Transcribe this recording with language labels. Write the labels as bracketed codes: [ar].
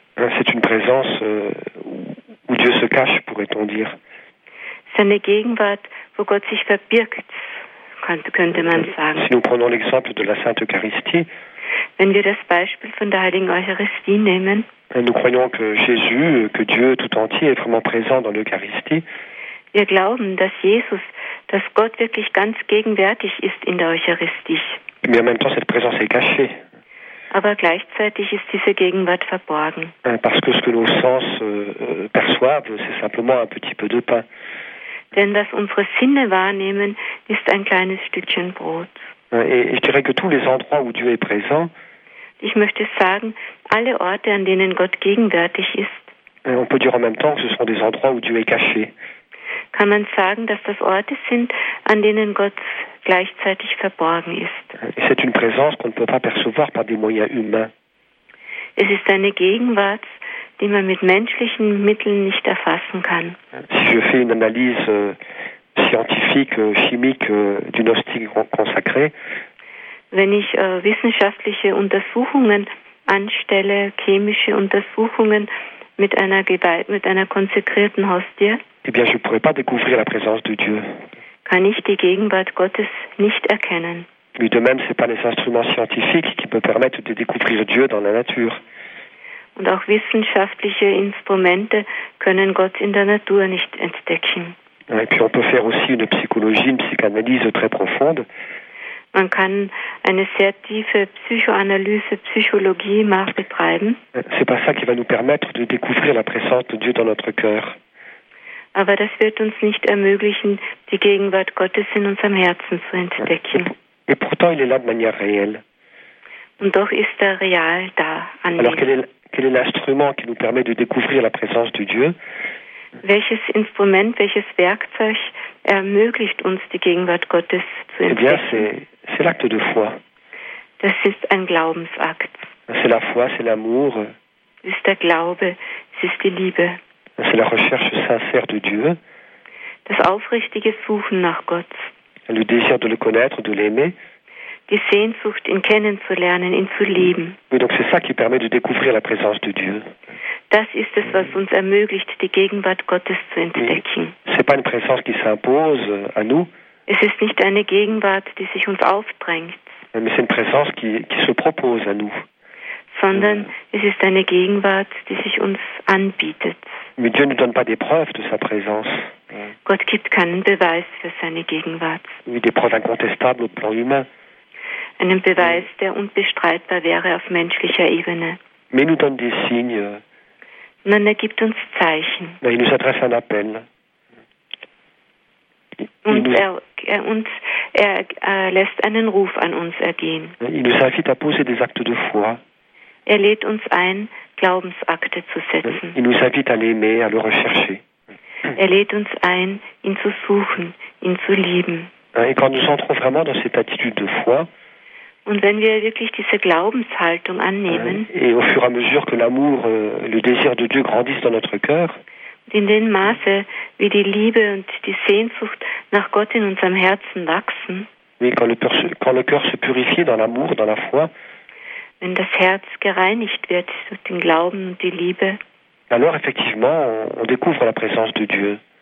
[fr] C'est une présence où Dieu se cache, pourrait-on dire. [de] Seine Gegenwart, wo Gott sich verbirgt, könnte man sagen. [fr] Si nous prenons l'exemple de la Sainte Eucharistie, [de] wenn wir das Beispiel von der Heiligen Eucharistie nehmen, [fr] nous croyons que Jésus, que Dieu tout entier est vraiment présent dans l'Eucharistie. [de] Wir glauben, dass Jesus, dass Gott wirklich ganz gegenwärtig ist in der Eucharistie. [fr] Mais en même temps, cette présence est cachée. [de] Aber gleichzeitig ist diese Gegenwart verborgen. [fr] Parce que ce que nos sens perçoivent, c'est simplement un petit peu de pain. [de] Denn was unsere Sinne wahrnehmen, ist ein kleines Stückchen Brot. [fr] Et je dirais que tous les endroits où Dieu est présent, [de] ich möchte sagen, alle Orte, an denen Gott gegenwärtig ist, [fr] on peut dire en même temps que ce sont des endroits où Dieu est caché. [de] Kann man sagen, dass das Orte sind, an denen Gott gleichzeitig verborgen ist. [fr] C'est une présence qu'on ne peut pas percevoir par des moyens humains. [de] Es ist eine Gegenwart, die man mit menschlichen Mitteln nicht erfassen kann. [fr] Si je fais une analyse scientifique, chimique d'une hostie consacrée, [de] wenn ich wissenschaftliche Untersuchungen anstelle, chemische Untersuchungen mit einer Gewalt, mit einer konsekrierten Hostie, [fr] eh bien, je pourrais pas découvrir la présence de Dieu. [de] Kann ich die Gegenwart Gottes nicht erkennen. [fr] Mais de même, c'est pas les instruments scientifiques qui peuvent permettre de découvrir Dieu dans la nature. [de] Und auch wissenschaftliche Instrumente können Gott in der Natur nicht entdecken. [fr] Et puis on peut faire aussi une psychologie, une psychanalyse très profonde. [de] Man kann eine sehr tiefe Psychoanalyse, Psychologie betreiben. [fr] C'est pas ça qui va nous permettre de découvrir la présence de Dieu dans notre cœur. [de] Aber das wird uns nicht ermöglichen, die Gegenwart Gottes in unserem Herzen zu entdecken. [fr] Et pourtant, il est là de manière réelle. [de] Und doch ist er real da. [fr] Alors, quel est l'instrument qui nous permet de découvrir la présence de Dieu? [de] Welches Instrument, welches Werkzeug ermöglicht uns, die Gegenwart Gottes zu entdecken? [fr] Eh bien, c'est l'acte de foi. [de] Das ist ein Glaubensakt. [fr] C'est la foi, c'est l'amour. [de] Es ist der Glaube, es ist die Liebe. [fr] C'est la recherche sincère de Dieu. [de] Das aufrichtige Suchen nach Gott. [fr] Le désir de le connaître, de l'aimer. [de] Die Sehnsucht, ihn kennenzulernen, ihn zu lieben. [fr] Et donc c'est ça qui permet de découvrir la présence de Dieu. [de] Das ist es, was uns ermöglicht, die Gegenwart Gottes zu entdecken. [fr] C'est pas une présence qui s'impose à nous. [de] Es ist nicht eine Gegenwart, die sich uns aufdrängt. [fr] Mais c'est une présence qui se propose à nous. [de] Sondern es ist eine Gegenwart, die sich uns anbietet. [fr] Mais Dieu ne donne pas des preuves de sa présence. [de] Gott gibt keinen Beweis für seine Gegenwart. [fr] Mais des preuves incontestables au plan humain. [de] Einen Beweis, der unbestreitbar wäre auf menschlicher Ebene. [fr] Mais nous donne des signes. [de] Nun, er gibt uns Zeichen. [fr] Il nous adresse un appel. [de] Er lässt einen Ruf an uns ergehen. [fr] Il nous invite à poser des actes de foi. [de] Er lädt uns ein, Glaubensakte zu setzen. [fr] Il nous invite à l'aimer, à le rechercher. [de] Er lädt uns ein, ihn zu suchen, ihn zu lieben. [fr] Et quand nous entrons vraiment dans cette attitude de foi, [de] und wenn wir wirklich diese Glaubenshaltung annehmen, [fr] et au fur et à mesure que l'amour, le désir de Dieu grandissent dans notre cœur, [de] in dem Maße, wie die Liebe und die Sehnsucht nach Gott in unserem Herzen wachsen, [fr] mais quand le cœur se purifie dans l'amour, dans la foi, [de] wenn das Herz gereinigt wird durch den Glauben und die Liebe, [fr] alors effectivement, on découvre la présence de Dieu.